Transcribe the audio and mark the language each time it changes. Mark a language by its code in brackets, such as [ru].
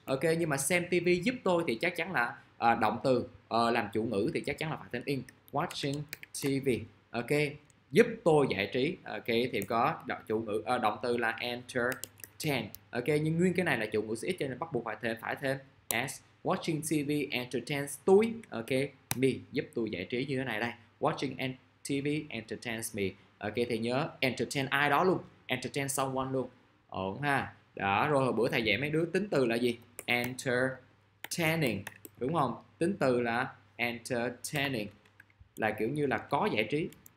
[vi] Ok, nhưng mà xem TV giúp tôi thì chắc chắn là động từ, làm chủ ngữ thì chắc chắn là phải thêm in, [en] watching TV. [vi] Ok, giúp tôi giải trí. Ok, thì có chủ ngữ động từ là entertain. Ok, nhưng nguyên cái này là chủ ngữ sẽ ít cho nên bắt buộc phải thêm s. [en] Watching TV entertains [vi] tôi. Ok, me, giúp tôi giải trí như thế này đây. [en] Watching TV entertains me. [vi] Ok, thì nhớ entertain ai đó luôn, [en] entertain someone [vi] luôn. Ổn ha. Đó, rồi hồi bữa thầy dạy mấy đứa tính từ là gì? Entertaining, đúng không? Tính từ là entertaining, là kiểu như là có giải trí.